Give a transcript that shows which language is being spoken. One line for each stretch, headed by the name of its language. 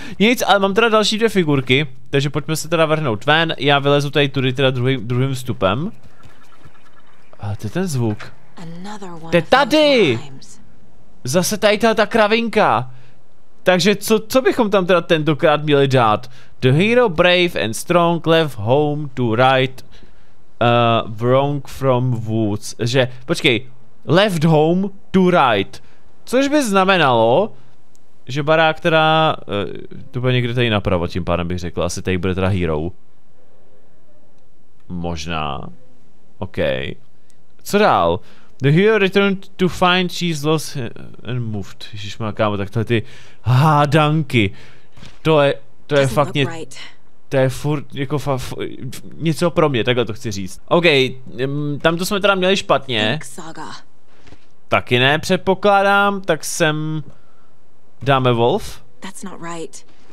Czech: Nic, ale mám teda další dvě figurky, takže pojďme se teda vrhnout ven, já vylezu tady tudy teda druhým vstupem. A to je ten zvuk. To je tady! Zase tady ta kravinka. Takže co bychom tam teda tentokrát měli dát?
English: The hero brave and strong left home to right wrong from woods.
Czech: Že, počkej,
English: left home to right.
Czech: Což by znamenalo, že barák teda, to bude někde tady napravo, tím pádem bych řekl, asi tady bude teda hero. Možná. OK. Co dál?
English: The hero returned to find she's lost and moved.
Czech: Ježiš, má kámo, tak tohle ty hádanky. To je fakt right. To je furt jako něco pro mě, takhle to chci říct. OK, tam to jsme teda měli špatně. Taky ne, předpokládám, tak sem dáme wolf.
English: That's not right.